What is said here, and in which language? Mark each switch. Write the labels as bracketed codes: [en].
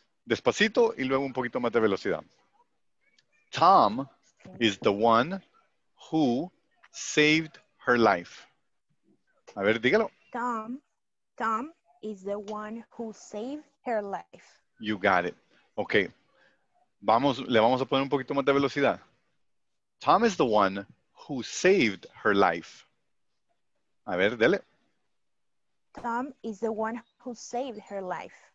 [es] Despacito y luego un poquito más de velocidad. [en] Tom is the one who saved her life. [es] A ver, dígalo. [en] Tom is the one who saved her life. You got it. Okay. [es] Le vamos a poner un poquito más de velocidad. [en] Tom is the one who saved her life. [es] A ver, dele. [en] Tom is the one who saved her life.